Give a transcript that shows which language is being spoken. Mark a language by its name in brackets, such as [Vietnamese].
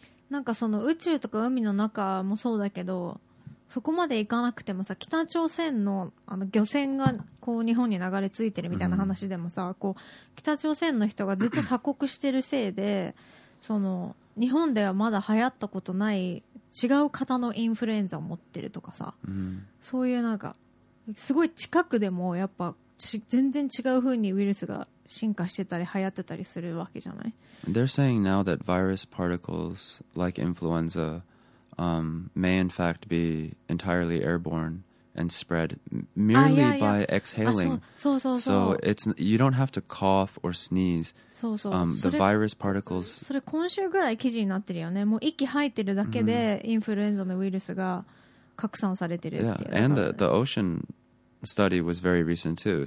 [Japanese] なんかその宇宙とか海の中もそうだけど、そこまで行かなくてもさ、北朝鮮の、あの漁船がこう日本に流れ着いてるみたいな話でもさ、こう北朝鮮の人がずっと鎖国してるせいで、その日本ではまだ流行ったことない違う型のインフルエンザを持ってるとかさ、そういうなんかすごい近くでもやっぱ全然違う風にウイルスが進化してたり流行ってたりするわけじゃない。 [English] They're saying now that virus particles like influenza may in fact be entirely airborne and spread merely by exhaling. [Japanese] そう。 [English] So it's, you don't have to cough or sneeze. [Japanese] そう。 [English] The virus particles. [Japanese] それ今週ぐらい記事になってるよね。もう息吐いてるだけでインフルエンザのウイルスが拡散されてるっていう。 [English] Yeah, and the ocean study was very recent too.